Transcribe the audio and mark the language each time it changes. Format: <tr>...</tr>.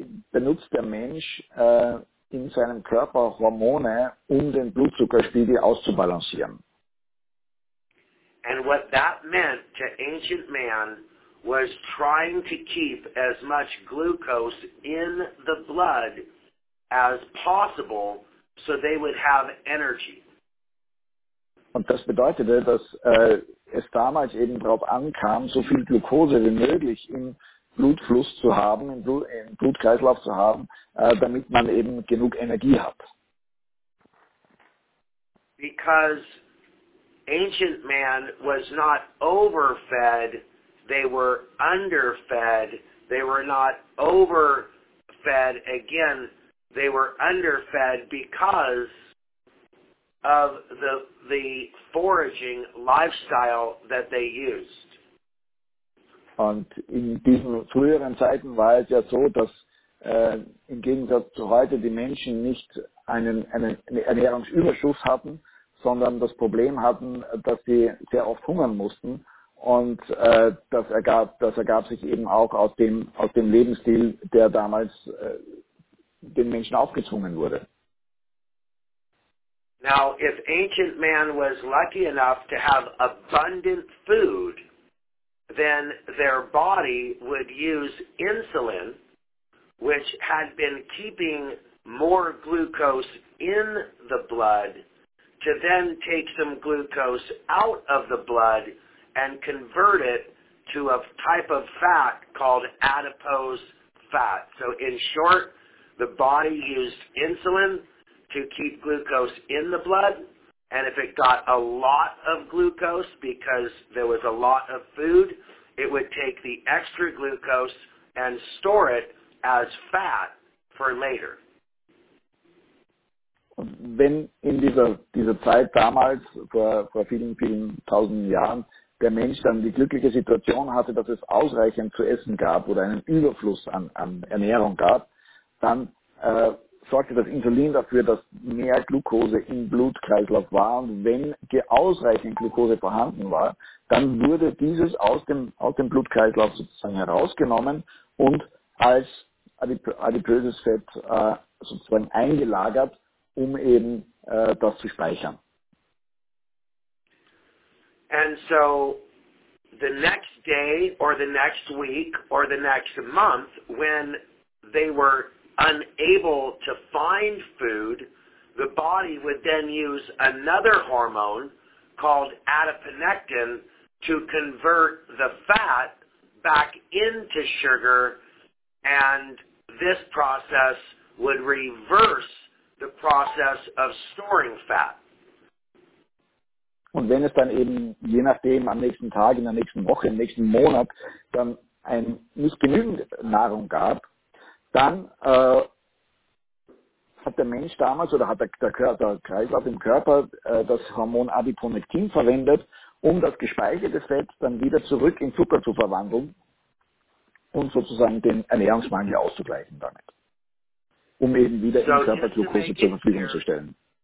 <de>benutzt der Mensch in seinem Körper Hormone, um den Blutzuckerspiegel auszubalancieren.</de> <en>And what that meant to ancient man was trying to keep as much glucose in the blood as possible, so they would have energy.</en> <de>Und das bedeutete, dass es damals eben darauf ankam, so viel Glucose wie möglich im Blutfluss zu haben, im Blutkreislauf zu haben, damit man eben genug Energie hat.</de> <en>Because ancient man was not overfed, they were underfed. They were not overfed again, they were underfed because of the foraging lifestyle that they used.</en> <de>Und in diesen früheren Zeiten war es ja so, dass im Gegensatz zu heute die Menschen nicht einen Ernährungsüberschuss hatten, sondern das Problem hatten, dass sie sehr oft hungern mussten. Und das ergab sich eben auch aus dem Lebensstil, der damals den Menschen aufgezwungen wurde.</de> <en>Now, if ancient man was lucky enough to have abundant food, then their body would use insulin, which had been keeping more glucose in the blood, to then take some glucose out of the blood and convert it to a type of fat called adipose fat. So in short, the body used insulin to keep glucose in the blood, and if it got a lot of glucose because there was a lot of food, it would take the extra glucose and store it as fat for later.</en> <de>Wenn in dieser Zeit damals, vor vielen, vielen tausend Jahren, der Mensch dann die glückliche Situation hatte, dass es ausreichend zu essen gab oder einen Überfluss an Ernährung gab, dann sorgte das Insulin dafür, dass mehr Glucose im Blutkreislauf war. Und wenn ausreichend Glucose vorhanden war, dann wurde dieses aus dem Blutkreislauf sozusagen herausgenommen und als adipöses Fett sozusagen eingelagert, um eben das zu speichern.</de> <en>And so the next day or the next week or the next month, when they were unable to find food, the body would then use another hormone called adiponectin to convert the fat back into sugar, and this process would reverse the process of storing fat.</en> <de>Und wenn es dann eben, je nachdem, am nächsten Tag, in der nächsten Woche, im nächsten Monat, dann ein nicht genügend Nahrung gab, dann hat der Mensch damals, oder hat der Kreislauf im Körper das Hormon Adiponektin verwendet, um das gespeicherte Fett dann wieder zurück in Zucker zu verwandeln und sozusagen den Ernährungsmangel auszugleichen damit, um eben wieder im Körper Glucose zur Verfügung zu stellen.</de>